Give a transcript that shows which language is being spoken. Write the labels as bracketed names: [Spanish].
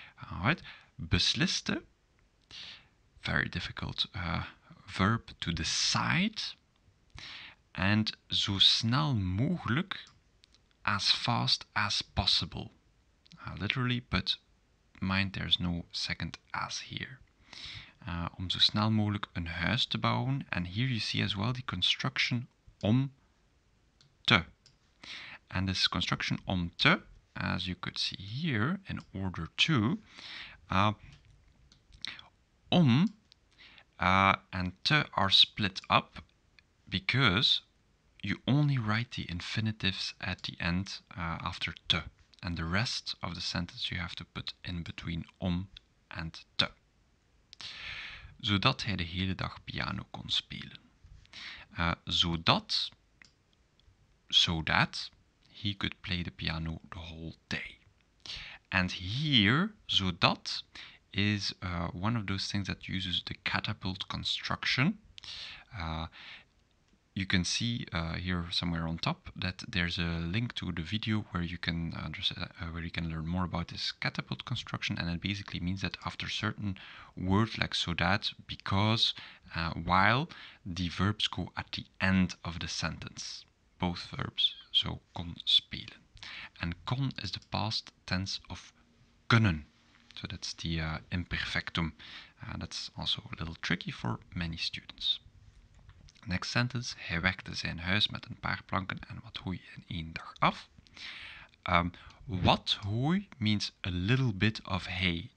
[English] All right, besliste, very difficult verb to decide. And [Dutch] zo snel mogelijk, [English] as fast as possible. Literally, but mind there's no second as here. [Dutch] Om zo snel mogelijk een huis te bouwen. [English] And here you see as well the construction om te. And this construction om te, as you could see here in order to, om and te are split up because you only write the infinitives at the end after te. And the rest of the sentence you have to put in between om and te. [Dutch] Zodat hij de hele dag piano kon spelen. [English] Zodat, so that, he could play the piano the whole day. And here, zodat is one of those things that uses the catapult construction. You can see here somewhere on top that there's a link to the video where you can learn more about this catapult construction, and it basically means that after certain words like so that, because, while, the verbs go at the end of the sentence, both verbs, so kon spelen, and kon is the past tense of kunnen, so that's the imperfectum, and that's also a little tricky for many students. Next sentence, [Dutch] hij werkte zijn huis met een paar planken en wat hooi in één dag af. [English] Wat hooi means a little bit of hay.